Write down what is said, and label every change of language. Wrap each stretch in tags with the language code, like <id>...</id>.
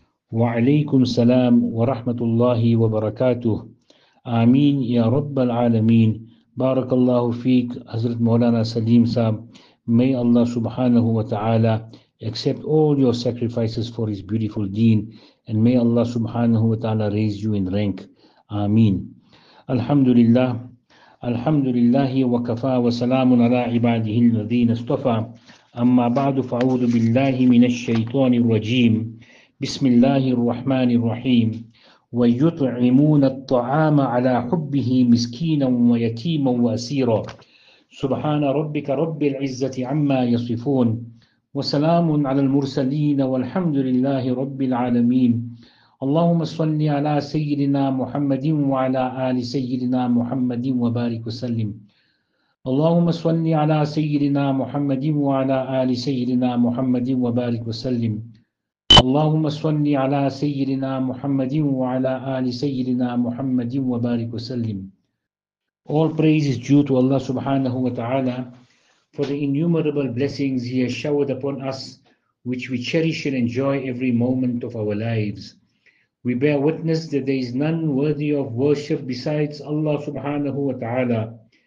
<ar>وعليكم السلام ورحمة الله وبركاته. آمين يا رب العالمين. بارك الله فيك حضرت مولانا سليم صاحب.</ar> <en>May Allah subhanahu wa ta'ala accept all your sacrifices for his beautiful deen, and may Allah subhanahu wa ta'ala raise you in rank.</en> <ar>Ameen. Alhamdulillah. Alhamdulillah wa kafa wa salamun ala ibadihi alladhina istafa. Amma ba'du fa'udhu billahi minash shaitanir rajim. Bismillahir Rahmanir Rahim. Wa yut'imuna at-ta'ama ala hubbihi miskinan wa yatiman wa asira. سبحان ربك رب العزة عما يصفون وسلام على المرسلين والحمد لله رب العالمين اللهم صل على سيدنا محمد وعلى آل سيدنا محمد وبارك وسلم اللهم صل على سيدنا محمد وعلى آل سيدنا محمد وبارك وسلم اللهم صل على سيدنا محمد وعلى آل سيدنا محمد وبارك وسلم.</ar> <en>All praise is due to Allah subhanahu wa ta'ala for the innumerable blessings He has showered upon us, which we cherish and enjoy every moment of our lives. We bear witness that there is none worthy of worship besides Allah subhanahu wa ta'ala.</en>